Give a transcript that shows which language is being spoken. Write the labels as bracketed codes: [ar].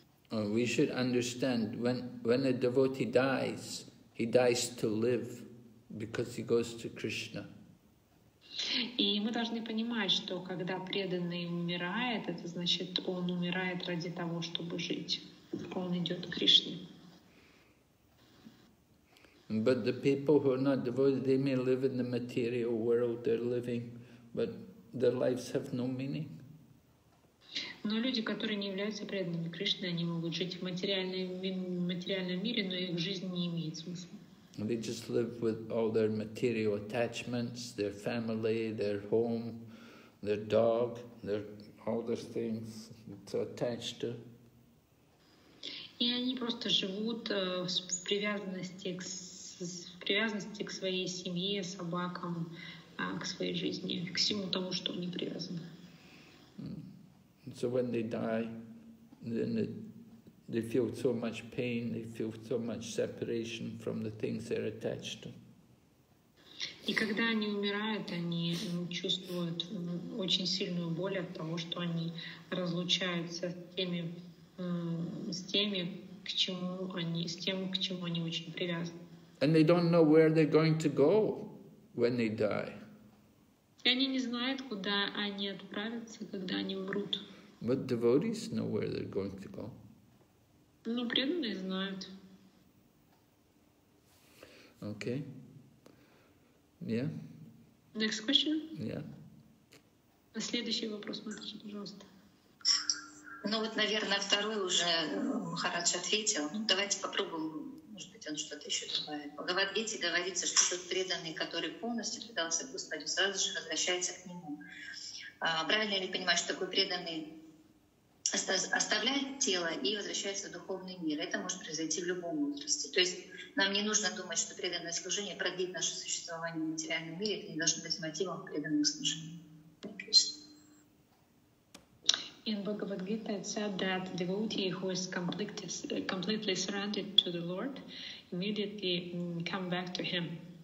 [en] We should understand when a devotee dies, he dies to live, because he goes to Krishna. [ru] И мы должны понимать, что когда преданный умирает, это значит, он умирает ради того, чтобы жить. Он идет к Кришне. [en] But the people who are not devoted, they may live in the material world they're living, but their lives have no meaning. [ru] Но люди, которые не являются преданными Кришне, они могут жить в материальном мире, но их жизнь не имеет смысла. [en] They just live with all their material attachments, their family, their home, their dog, their all those things to attach to. [ru] И они просто живут в привязанности к своей семье, собакам, к своей жизни, к всему тому, что они привязаны. [en] So when they die, then they feel so much pain, they feel so much separation from the things they're attached to. [ru] И когда они умирают, они чувствуют очень сильную боль от того, что они разлучаются с тем, к чему они очень привязаны. [en] And they don't know where they're going to go when they die. [ru] И они не знают, куда они отправятся, когда они умрут. [en] But devotees know where they're going to go. [ru] Ну, преданные знают. [en] Okay. Yeah. Next question? Yeah. [ru] Следующий вопрос, Матрич, пожалуйста. Ну вот, наверное, второй уже Махарадж ответил. Ну, давайте попробуем, может быть, он что-то еще добавит. В Бхагавад-гите говорится, что тот преданный, который полностью предался Господу, сразу же возвращается к нему. Правильно ли понимать, что такой преданный оставляет тело и возвращается в духовный мир? Это может произойти в любом возрасте. То есть нам не нужно думать, что преданное служение продлит наше существование в материальном мире. Это не должно быть мотивом преданного служения. [en] In Bhagavad Gita, it said that a devotee who is completely surrendered to the Lord immediately come back to Him.